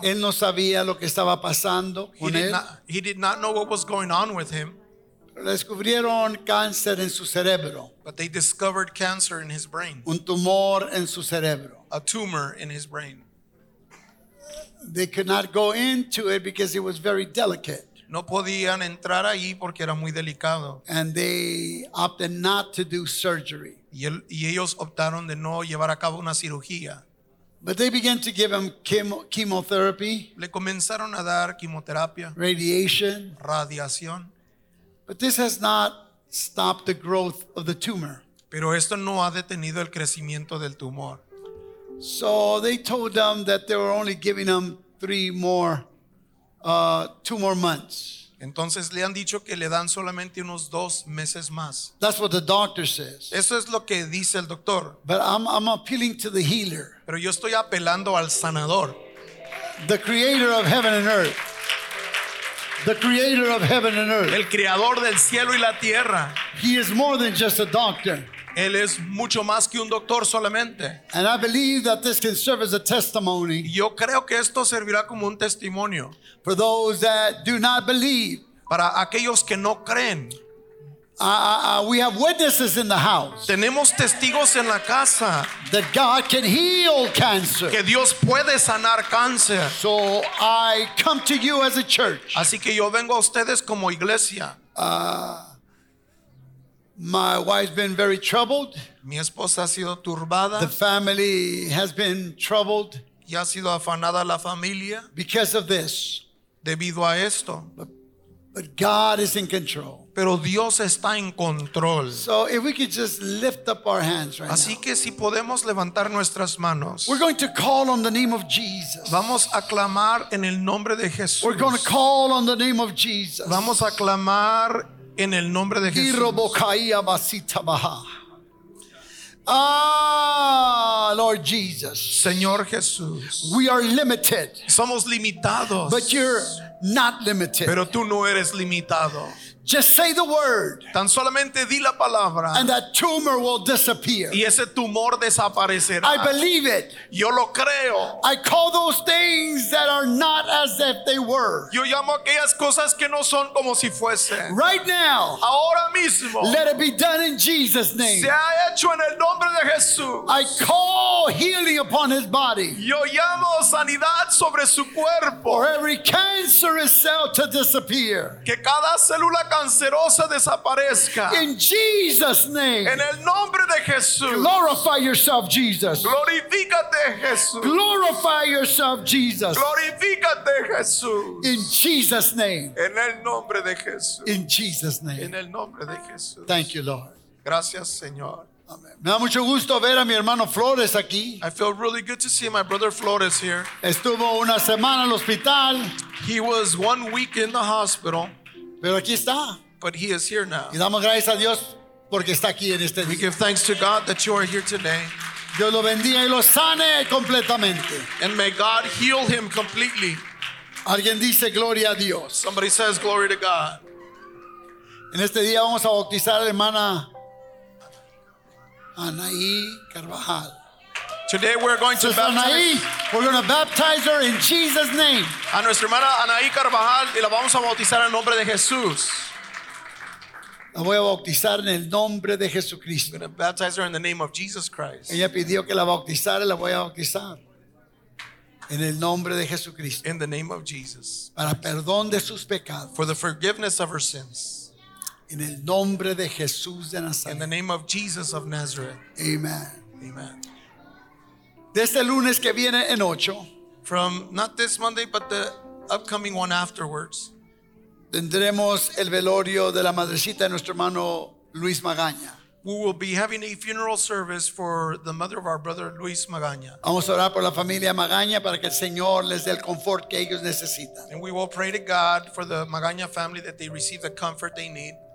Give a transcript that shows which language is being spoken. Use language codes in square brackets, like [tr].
[es] Él no sabía lo que estaba pasando con él. [en] He did not know what was going on with him. [es] Descubrieron cáncer en su cerebro. [en] But they discovered cancer in his brain. [es] Un tumor en su cerebro. [en] A tumor in his brain. They could not go into it because it was very delicate. [es] No podían entrar ahí porque era muy delicado. [en] And they opted not to do surgery. [es] Y ellos optaron de no llevar a cabo una cirugía. [en] But they began to give him chemotherapy. [es] Le comenzaron a dar quimioterapia. [en] Radiation. [es] Radiación. [en] But this has not stopped the growth of the tumor. [es] Pero esto no ha detenido el crecimiento del tumor. [en] So they told them that they were only giving them two more months. [es] Entonces le han dicho que le dan solamente unos dos meses más. [en] That's what the doctor says. [es] Eso es lo que dice el doctor. [en] But I'm appealing to the healer. [es] Pero yo estoy apelando al sanador. [en] The creator of heaven and earth. The creator of heaven and earth. [es] El creador del cielo y la tierra. [en] He is more than just a doctor. [es] Él es mucho más que un doctor solamente. [en] And I believe that this can serve as a testimony. [es] Yo creo que esto servirá como un testimonio. [en] For those that do not believe. [es] Para aquellos que no creen. [en] We have witnesses in the house. [es] Tenemos testigos en la casa. [en] That God can heal cancer. [es] Que Dios puede sanar cáncer. [en] So I come to you as a church. [es] Así que yo vengo a ustedes como iglesia. [en] My wife's been very troubled. [es] Mi esposa ha sido turbada. [en] The family has been troubled. [es] Y ha sido afanada la familia. [en] Because of this. [es] Debido a esto. [en] But God is in control. [es] Pero Dios está en control. [en] So if we could just lift up our hands right [es] Así [en] now. [es] Que si podemos levantar nuestras manos. [en] We're going to call on the name of Jesus. [es] Vamos a clamar en el nombre de Jesús. [en] We're going to call on the name of Jesus. [es] Vamos a clamar en el nombre de Jesús. [en] Ah, Lord Jesus. [es] Señor Jesús. [en] We are limited. [es] Somos limitados. [en] But you're not limited. [es] Pero tú no eres limitado. [en] Just say the word. [es] Tan solamente di la palabra. [en] And that tumor will disappear. [es] Y ese tumor desaparecerá. [en] I believe it. [es] Yo lo creo. [en] I call those things that are not as if they were. [es] Yo llamo aquellas cosas que no son como si fuesen. [en] Right now. [es] Ahora mismo. [en] Let it be done in Jesus' name. [es] Se ha hecho en el nombre de Jesús. [en] I call healing upon his body. [es] Yo llamo sanidad sobre su cuerpo. [en] For every cancerous cell to disappear. [es] Que cada célula cancerosa desaparezca. [en] In Jesus' name. [es] En el nombre de Jesús. [en] Glorify yourself, Jesus. [es] Glorifícate, Jesús. [en] Glorify yourself, Jesus. [es] Glorifícate, Jesús. [en] In Jesus' name. [es] En el nombre de Jesús. [en] In Jesus' name. [es] En el nombre de Jesús. [en] Thank you, Lord. [es] Gracias, Señor. Me da mucho gusto ver a mi hermano Flores aquí. [en] I feel really good to see my brother Flores here. [es] Estuvo una semana en el hospital. [en] He was 1 week in the hospital. [es] Pero aquí está. [en] But he is here now. [es] Y damos gracias a Dios porque está aquí en este día. [en] We give thanks to God that you are here today. [es] Dios lo bendiga y lo sane completamente. [en] And may God heal him completely. [es] Alguien dice gloria a Dios. [en] Somebody says glory to God. [es] En este día vamos a bautizar a la hermana Anaí Carvajal. [en] Today we're going to baptize. Anaí, we're going to baptize her in Jesus' name. [es] A nuestra hermana Anaí Carvajal y la vamos a bautizar en nombre de Jesús. La voy a bautizar en el nombre de Jesucristo. [en] We're going to baptize her in the name of Jesus Christ. [es] Ella pidió que la bautizara y la voy a bautizar en el nombre de Jesucristo. [en] In the name of Jesus. [es] Para perdón de sus pecados. [en] For the forgiveness of her sins. [es] En el nombre de Jesús de Nazaret. [en] In the name of Jesus of Nazareth. [es] Amen. [en] Amen. [es] Desde el lunes que viene en 8. [en] From not this Monday, but the upcoming one afterwards. [es] Tendremos el velorio de la madrecita de nuestro hermano Luis Magaña. [en] We will be having a funeral service for the mother of our brother Luis Magaña. [es] Vamos a orar por la familia Magaña para que el Señor les dé el confort que ellos necesitan. [en] And we will pray to God for the Magaña family that they receive the comfort they need.